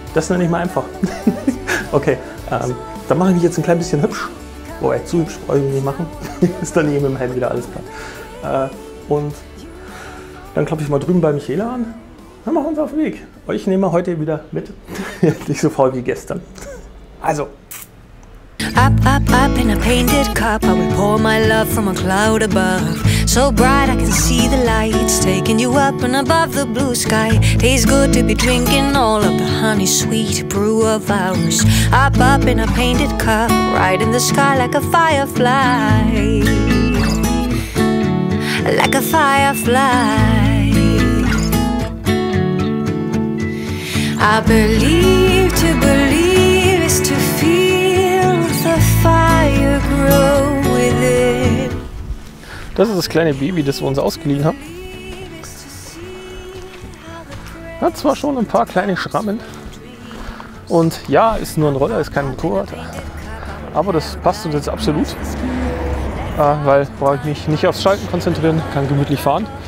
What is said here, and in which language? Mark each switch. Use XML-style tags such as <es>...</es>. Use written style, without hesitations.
<de>Das ist noch nicht mal einfach. Okay, dann mache ich mich jetzt ein klein bisschen hübsch. Boah, echt zu hübsch, brauche ich nicht machen. Ist dann eben im Helm wieder alles klar. Und dann klopfe ich mal drüben bei Michaela an. Dann machen wir uns auf den Weg. Euch nehmen wir heute wieder mit. Nicht so faul wie gestern. Also.</de> <en>Up, up, up in a painted cup, I will pour my love from a cloud above. So bright I can see the lights, taking you up and above the blue sky. Tastes good to be drinking all of the honey sweet brew of ours. Up, up in a painted cup, right in the sky like a firefly. Like a firefly. I believe to believe is to feel the fire grow within.</en> <de>Das ist das kleine Baby, das wir uns ausgeliehen haben. Hat zwar schon ein paar kleine Schrammen. Und ja, ist nur ein Roller, ist kein Motorrad. Aber das passt uns jetzt absolut. Weil brauche ich mich nicht aufs Schalten konzentrieren, kann gemütlich fahren.</de>